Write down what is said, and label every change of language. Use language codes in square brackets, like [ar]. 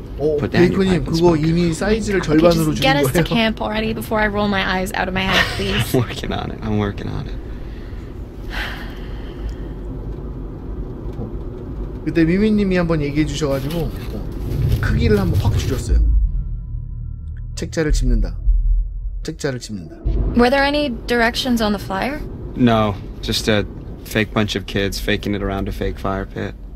[ko] 오, 베이커님, 그거 이미 사이즈를 절반으로 주는 거예요. [en] Get us to camp already before I roll my eyes out of my head, please. I'm working on it. I'm working on it. [ko] 그때 미미님이 한번 얘기해 주셔가지고 크기를 한번 확 줄였어요. 책자를 집는다. 책자를 집는다. [en] Were there any directions on the flyer? No, just a fake bunch of kids faking it around a fake fire pit.